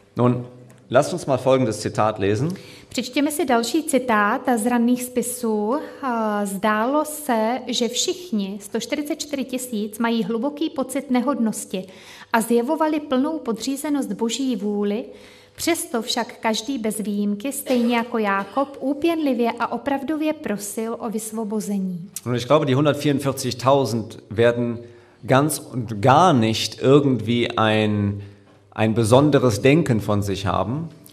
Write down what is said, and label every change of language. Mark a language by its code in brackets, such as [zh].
[de] Nun, lass uns mal folgendes Zitat lesen. [cs] Přečtěme si další citát z ranných spisů. Zdálo se, že všichni 144 tisíc mají hluboký pocit nehodnosti a zjevovali plnou podřízenost Boží vůli, přesto však každý bez výjimky, stejně jako Jákob, úpěnlivě a opravdově prosil o vysvobození. [de] Nun, ich glaube, die 144.000 werden ganz und gar nicht irgendwie ein besonderes Denken von sich haben.